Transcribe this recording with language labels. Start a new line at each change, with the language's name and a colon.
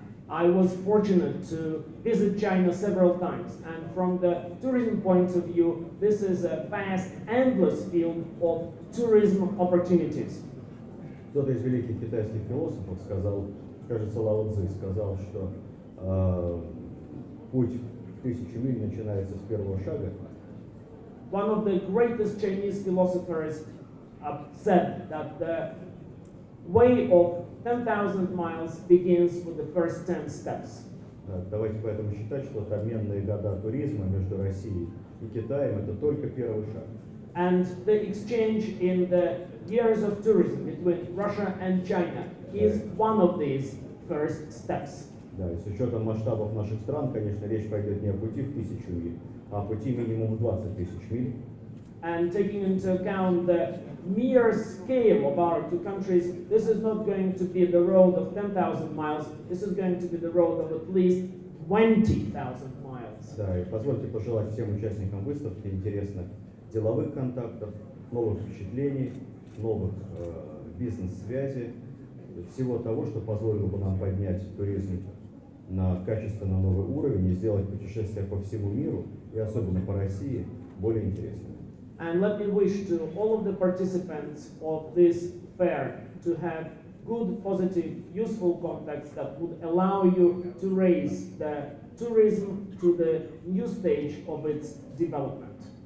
English: I was fortunate to visit China several times, and from the tourism point of view, this is a vast, endless field of tourism opportunities.
Russian: Кто-то из великих китайских философов сказал, кажется, Лао Цзы сказал, что путь в тысячу миль начинается с первого шага.
English: One of the greatest Chinese philosophers said that the way of 10,000 miles begins with the first 10 steps.
Russian: Давайте поэтому считать, что обменные года туризма между Россией и Китаем это только первый шаг.
English: And the exchange in the years of tourism between Russia and China is one of these first steps.
Russian: Да, и с учетом масштабов наших стран, конечно, речь пойдет не о пути в тысячу миль, а о пути минимум 20 тысяч миль.
English: And taking into account the mere scale of our two countries, this is not going to be the road of 10,000 miles, this is going to be the road of at least 20,000 miles.
Russian: Да, и позвольте пожелать всем участникам выставки интересных деловых контактов, новых впечатлений, новых бизнес-связей, всего того, что позволило бы нам поднять туризм на качественно новый уровень и сделать путешествия по всему миру, и особенно по России, более интересными.
English: And let me wish to all of the participants of this fair to have good, positive, useful contacts that would allow you to raise the tourism to the new stage of its development.